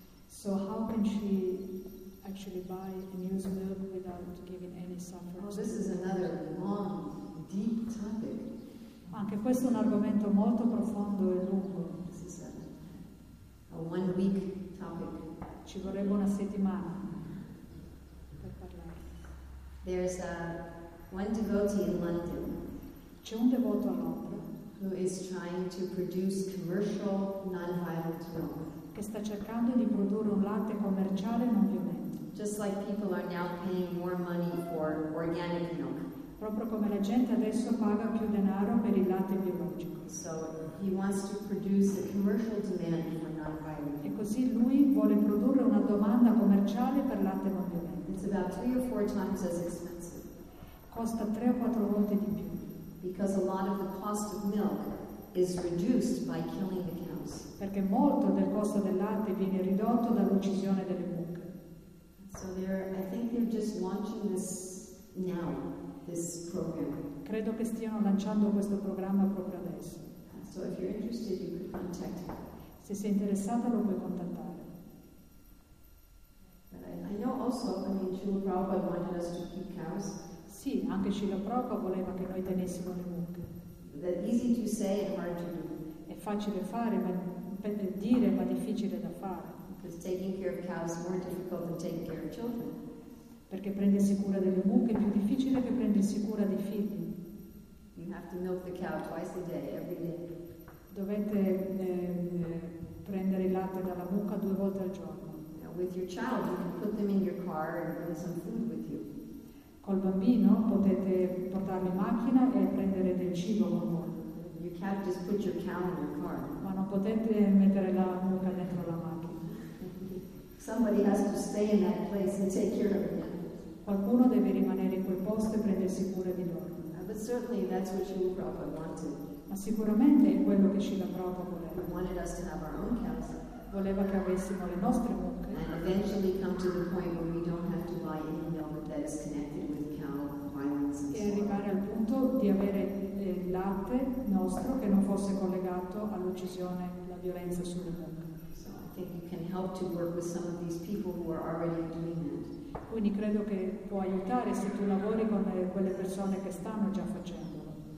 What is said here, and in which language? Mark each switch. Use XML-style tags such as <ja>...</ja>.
<en>So how can she actually buy and use milk without giving any suffering? Well, this is another long, deep topic.</en> <it>Anche questo è un argomento molto profondo e lungo.</it> <en>A one week topic.</en> <it>Ci vorrebbe una settimana per parlare.</it> <en>There's a one devotee in London.</en> <it>C'è un devoto a Londra</it> <en>who is trying to produce commercial non-violent milk.</en> <it>Che sta cercando di produrre un latte commerciale non violento.</it> <en>Just like people are now paying more money for organic milk.</en> <it>Proprio come la gente adesso paga più denaro per il latte biologico.</it> <en>So he wants to produce a commercial demand for non-violent.</en> <it>E così lui vuole produrre una domanda commerciale per latte non violento.</it> <en>It's about three or four times as expensive.</en> <it>Costa tre o quattro volte di più.</it> <en>Because a lot of the cost of milk is reduced by killing the cows.</en> <it>Perché molto del costo del latte viene ridotto dall'uccisione delle mucche.</it> <en>So I think they're just launching this now. This program.</en> <it>Credo che stiano lanciando questo programma proprio adesso.</it> <en>So if you're interested, you could contact him.</en> <it>Se sei interessata lo puoi contattare.</it> <en>But I know also, I mean, Srila Prabhupada wanted us to keep cows.</en> <it>Sì, anche Srila Prabhupada voleva che noi tenessimo le mucche.</it> <en>That easy to say and hard to do.</en> <it>È facile fare, ma dire, ma difficile da fare.</it> <en>Because taking care of cows is more difficult than taking care of children.</en> <it>Perché prendersi cura delle mucche è più difficile che prendersi cura dei figli.</it> <en>You have to milk the cow twice a day, every day.</en> <it>Dovete prendere il latte dalla mucca due volte al giorno.</it> <en>Now, with your child, you can put them in your car and bring some food with you.</en> <it>Col bambino potete portarlo in macchina e prendere del cibo con voi.</it> <en>You can't just put your cow in your car.</en> <it>Ma non potete mettere la mucca dentro la macchina.</it> <en>Somebody has to stay in that place and take care of them.</en> <it>Qualcuno deve rimanere in quel posto e prendersi cura di loro.</it> <en>But certainly that's what Srila Prabhupada wanted.</en> <it>Ma sicuramente è quello che Srila Prabhupada voleva.</it> <en>He wanted us to have our own cows.</en> <it>Voleva che avessimo le nostre mucche.</it> <en>And eventually come to the point where we don't have to buy any milk that is connected with cow violence.</en> <it>E arrivare al punto di avere il latte nostro che non fosse collegato all'uccisione, alla violenza sulle mucche.</it> <en>So I think you can help to work with some of these people who are already doing that.</en> <it>Quindi credo che può aiutare se tu lavori con quelle persone che stanno già facendolo.</it>